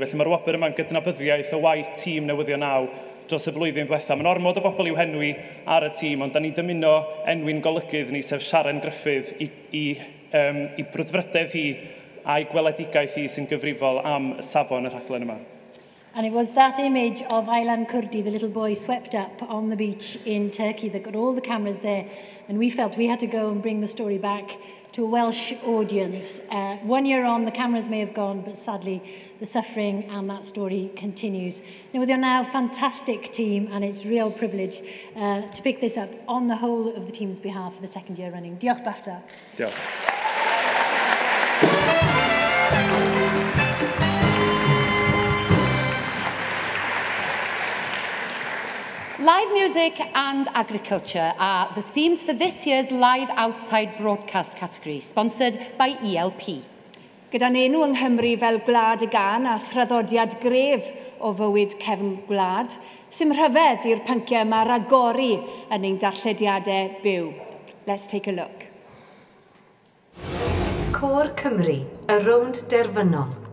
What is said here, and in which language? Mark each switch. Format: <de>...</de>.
<cy>Felly mae'r wobr yma'n gydnabyddiaeth o waith tîm newyddion naw dros y flwyddyn ddiwethaf. Mae'n ormod o bobl i'w henwi ar y tîm, ond da ni'n dymuno enwi'n golygydd ni, sef Siân Gruffydd, i brwdfrydedd hi a'i gweledigaeth hi sy'n gyfrifol am safon y rhaglen yma.</cy> <en>And it was that image of Aylan Kurdi, the little boy swept up on the beach in Turkey, that got all the cameras there. And we felt we had to go and bring the story back to a Welsh audience. 1 year on, the cameras may have gone, but sadly, the suffering and that story continues. Now, with your now fantastic team, and it's real privilege to pick this up on the whole of the team's behalf for the second year running.</en> <cy>Diolch BAFTA. Diolch.</cy> <en>Live music and agriculture are the themes for this year's Live Outside Broadcast category, sponsored by ELP.</en> <cy>Gyda'n enw yng Nghymru fel Gwlad y Gân a thraddodiad gref o fywyd cefn gwlad, sy'n rhyfedd i'r pynciau mae ragori yn ein darllediadau byw.</cy> <en>Let's take a look.</en> <cy>Cor Cymru, y rownd derfynol.</cy>